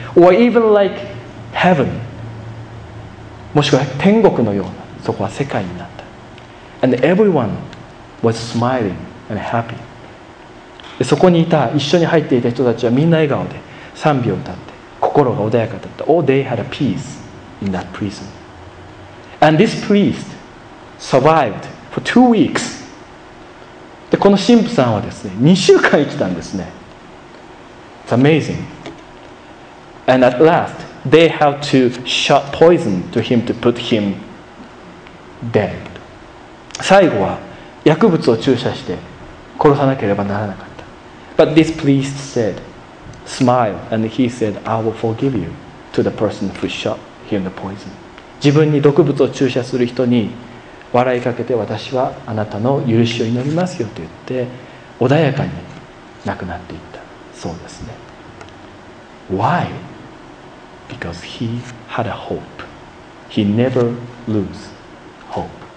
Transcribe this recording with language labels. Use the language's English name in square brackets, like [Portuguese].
[English] Or even like heaven. [Japanese] もしくは天国のような、そこは世界になった。 [English] And everyone was smiling and happy. [Japanese] でそこにいた、一緒に入っていた人たちはみんな笑顔で賛美を歌って心が穏やかだった。 [English] Oh, they had a peace in that prison. And this priest survivedFor two weeks. [Japanese] でこの神父さんはですね、2週間生きたんですね。 [English] It's amazing. And at last, they have to shot poison to him to put him dead. [Japanese] 最後は薬物を注射して殺さなければならなかった。 [English] But this priest said, smile, and he said, I will forgive you to the person who shot him the poison. [Japanese] 自分に毒物を注射する人に笑いかけて、私はあなたの許しを祈りますよと言って穏やかに亡くなっていった。そうですね。 [English] Why? Because he had a hope. He never lose hope.